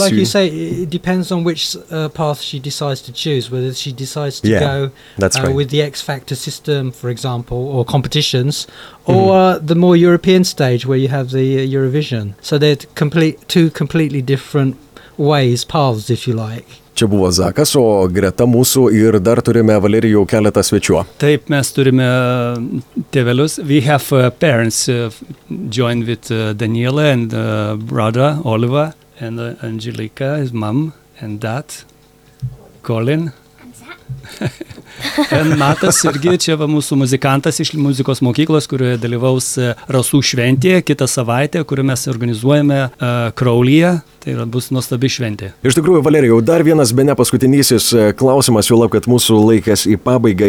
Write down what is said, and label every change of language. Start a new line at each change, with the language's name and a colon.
English: Like you say, it depends on which path she decides to choose, whether she decides to go with the X Factor system, for example, or competitions, or the more European stage where you have the Eurovision. So they're two completely different ways, paths, if you like.
Lithuanian: Čia buvo Zakas, o greta mūsų ir dar turime Valerijų keletą svečių. Taip, mes turime tėvelius.
English: We have parents joined with Daniela and brother Oliver and Angelica, his mom and dad, Colin.
Lithuanian: And Matas irgi čia va mūsų muzikantas iš muzikos mokyklos, kurioje dalyvaus Rasų šventėje kitą savaitę, kurią mes organizuojame Crowley'e. Tai yra bus nuostabi šventė. Iš tikrųjų, Valerijau, dar vienas bene paskutinysis klausimas, jau lab, kad mūsų laikas į pabaigą.